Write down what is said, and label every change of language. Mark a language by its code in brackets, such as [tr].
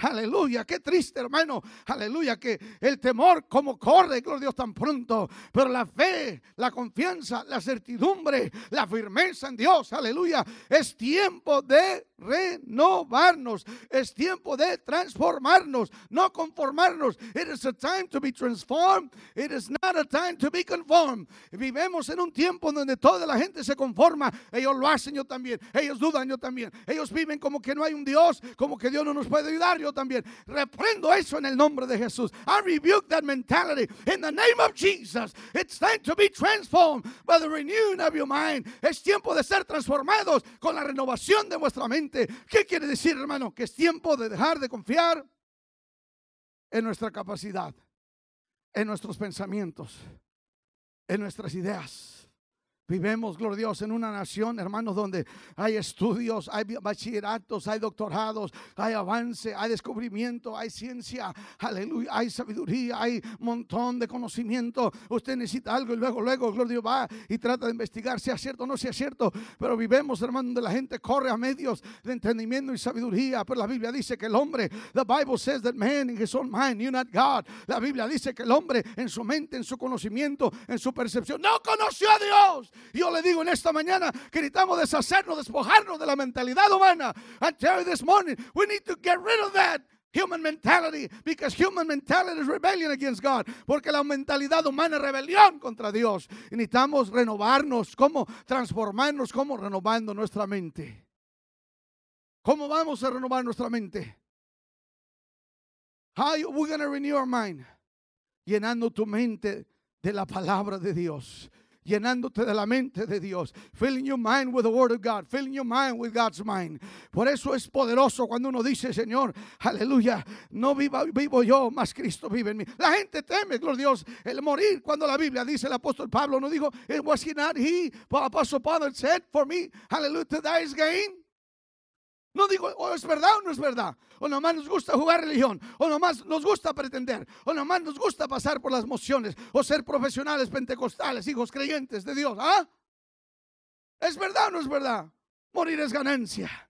[es] Aleluya, qué triste, hermano, aleluya, que el temor como corre, gloria a Dios, tan pronto, pero la fe, la confianza, la certidumbre, la firmeza en Dios, aleluya, es tiempo de renovarnos, es tiempo de transformarnos, no conformarnos. [en] It is a time to be transformed, it is not a time to be conformed. [es] Vivemos en un tiempo donde toda la gente se conforma, ellos lo hacen, yo también, ellos dudan, yo también, ellos viven como que no hay un Dios, como que Dios no nos puede ayudar, yo también. Reprendo eso en el nombre de Jesús. [en] I rebuke that mentality in the name of Jesus. It's time to be transformed by the renewing of your mind. [es] Es tiempo de ser transformados con la renovación de vuestra mente. ¿Qué quiere decir, hermano? Que es tiempo de dejar de confiar en nuestra capacidad, en nuestros pensamientos, en nuestras ideas. Vivemos, gloria a Dios, en una nación, hermanos, donde hay estudios, hay bachilleratos, hay doctorados, hay avance, hay descubrimiento, hay ciencia, aleluya, hay sabiduría, hay montón de conocimiento. Usted necesita algo y luego, gloria a Dios, va y trata de investigar, sea cierto o no sea cierto. Pero vivemos, hermano, donde la gente corre a medios de entendimiento y sabiduría. Pero la Biblia dice que el hombre, [en] the Bible says that man in his own mind knew not God. [es] La Biblia dice que el hombre en su mente, en su conocimiento, en su percepción, no conoció a Dios. Yo le digo en esta mañana que necesitamos deshacernos, despojarnos de la mentalidad humana. [en] I tell you this morning, we need to get rid of that human mentality, because human mentality is rebellion against God. [es] Porque la mentalidad humana es rebelión contra Dios. Y necesitamos renovarnos. ¿Cómo transformarnos? ¿Cómo renovando nuestra mente? ¿Cómo vamos a renovar nuestra mente? [en] How are we going to renew our mind? [es] Llenando tu mente de la palabra de Dios. Llenándote de la mente de Dios. [en] Filling your mind with the word of God. Filling your mind with God's mind. [es] Por eso es poderoso cuando uno dice, Señor, aleluya, no vivo yo, mas Cristo vive en mí. La gente teme, gloria a Dios, el morir. Cuando la Biblia dice, el apóstol Pablo no dijo, [en] it was he not he, but apostle Paul that said for me, hallelujah, to die is gain. [es] No digo, o es verdad o no es verdad, o nomás nos gusta jugar religión, o nomás nos gusta pretender, o nomás nos gusta pasar por las mociones, o ser profesionales pentecostales, hijos creyentes de Dios. ¿Ah? ¿Es verdad o no es verdad? Morir es ganancia.